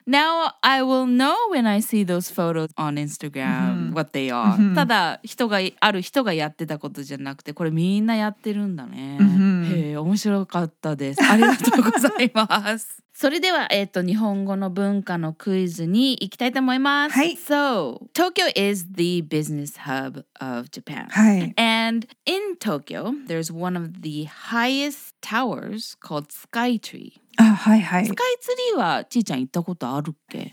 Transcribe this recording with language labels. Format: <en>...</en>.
<en>Now I will know when I see those photos on Instagram mm-hmm. what they are. Mm-hmm.</en> <ja>ただ人がある人がやってたことじゃなくて、これみんなやってるんだね。 Mm-hmm. へえ、面白かったです。ありがとうございます。それでは、日本語の文化のクイズに行きたいと思います。はい。</ja> <en>So, Tokyo is the business hub of Japan.</en> <ja>はい。</ja> <en>And in Tokyo, there's one of the highest towers called Sky Tree.</en> <ja>あ、はいはい。スカイツリーはちーちゃん行ったことあるっけ？</ja>